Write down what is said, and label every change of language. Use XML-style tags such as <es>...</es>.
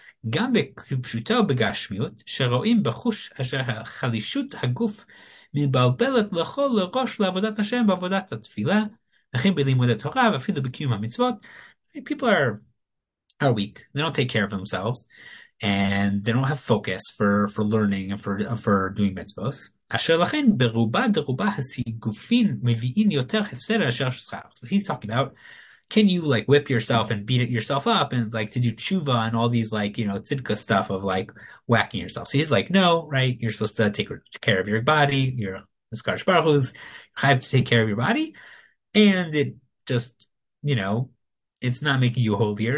<he>גם בפשוטו בגשמיות, שרואים בחוש אשר חלישות הגוף מבלבלת לכל ראש לעבודת השם בעבודת התפילה, וכן בלימוד התורה ואפילו בקיום המצוות.</he> <en>People are weak. They don't take care of themselves, and they don't have focus for learning and for doing mitzvot.</en> <he>אשר לכן ברובה דרובה הסיגופין מביאים יותר הפסד אשר שכר.</he> <en>So he's talking about, can you like whip yourself and beat it yourself up and like to do tshuva and all these like tzedakah stuff of like whacking yourself? So he's like, no, right? You're supposed to take care of your body. You're Kadosh Baruch Hu's. I have to take care of your body, and it just it's not making you holier.</en>